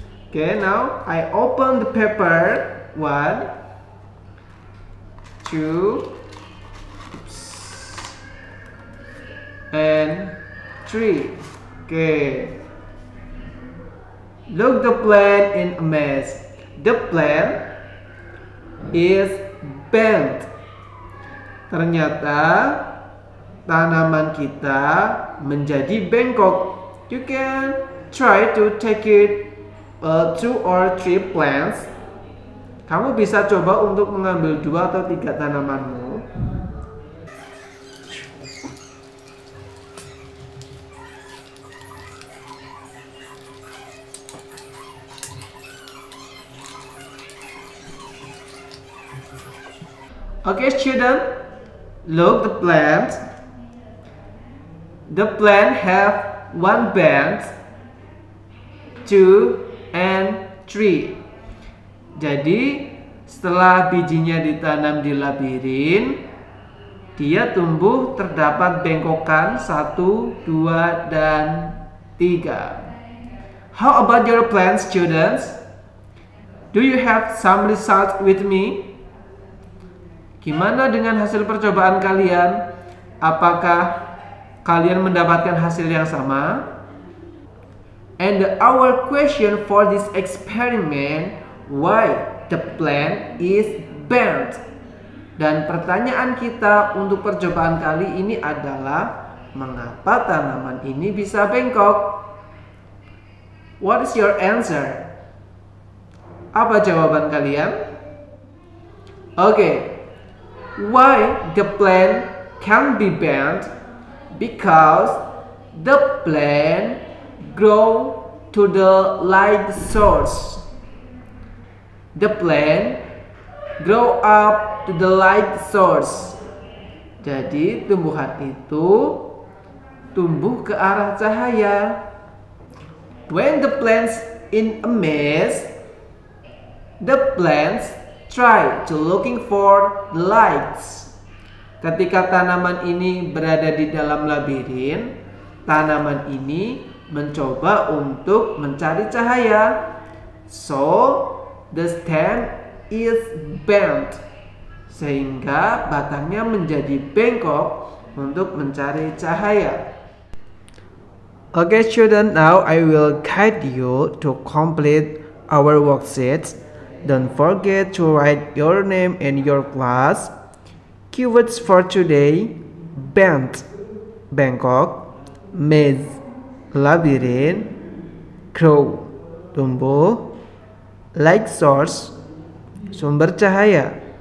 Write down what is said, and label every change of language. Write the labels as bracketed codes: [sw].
[en] Okay, now I open the paper. 1, 2, and 3. Okay. Look the plant in a mess. The plant is bent. [id] Ternyata tanaman kita menjadi bengkok. [en] You can try to take it two or three plants. [id] Kamu bisa coba untuk mengambil dua atau tiga tanamanmu. [en] Okay, student, look the plant. The plant have one bend, 2 and 3. [id] Jadi, setelah bijinya ditanam di labirin, dia tumbuh terdapat bengkokan 1, 2, dan 3. [en] How about your plants, students? Do you have some results with me? [id] Gimana dengan hasil percobaan kalian? Apakah kalian mendapatkan hasil yang sama? [en] And our question for this experiment, why the plant is bent? [id] Dan pertanyaan kita untuk percobaan kali ini adalah, mengapa tanaman ini bisa bengkok? [en] What is your answer? [id] Apa jawaban kalian? [en] Okay. Why the plant can be bent? Because the plant grow to the light source. The plant grow up to the light source. [id] Jadi tumbuhan itu tumbuh ke arah cahaya. [en] When the plants in a mess, the plants try to looking for the lights. [id] Ketika tanaman ini berada di dalam labirin, tanaman ini mencoba untuk mencari cahaya. [en] So, the stem is bent. [id] Sehingga batangnya menjadi bengkok untuk mencari cahaya. [en] Okay, student, now I will guide you to complete our worksheet. Don't forget to write your name and your class. Keywords for today: bent, bengkok; maze, labirin; grow, tumbuh; light source, sumber cahaya.